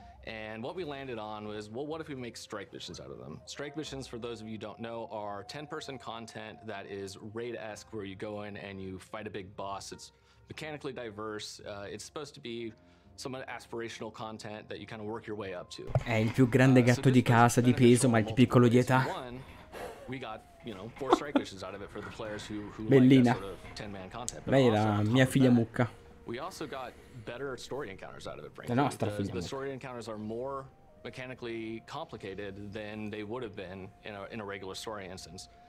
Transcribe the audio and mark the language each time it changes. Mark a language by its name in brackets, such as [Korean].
[English] And what we landed on was, well, what if we make strike missions out of them? Strike missions, for those of you who don't know, are 10-person content that is raid-esque, where you go in and you fight a big boss. It's mechanically diverse. It's supposed to be some aspirational content that you kind of work your way up to. [Italian] È il più grande gatto di casa di peso, ma il più piccolo di età. [English] We got, you know, 4 strike missions out of it for the players who like that sort of 10-man content. [Italian] Bella, mia figlia mucca. [English] We also got better story encounters out of it, frankly. The story encounters are more mechanically complicated than they would have been in a regular story instance.